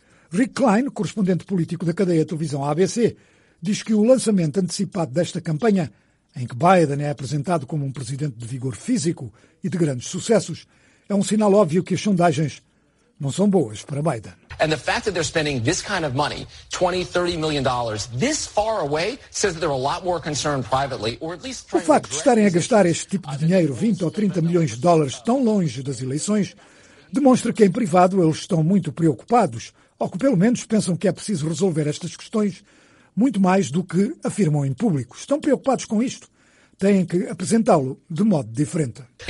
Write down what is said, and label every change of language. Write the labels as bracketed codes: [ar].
[pt] Rick Klein, correspondente político da cadeia de televisão ABC, diz que o lançamento antecipado desta campanha, em que Biden é apresentado como um presidente de vigor físico e de grandes sucessos, é um sinal óbvio que as sondagens não são boas para Biden. [en] And the fact that they're spending this kind of money, $20-30 million, this far away, says that they're a lot more concerned privately, or at least. [pt] O facto de estarem a gastar este tipo de dinheiro, 20 ou 30 milhões de dólares, tão longe das eleições, demonstra que em privado eles estão muito preocupados, ou que pelo menos pensam que é preciso resolver estas questões muito mais do que afirmam em público. Estão preocupados com isto. Têm que apresentá-lo de modo diferente.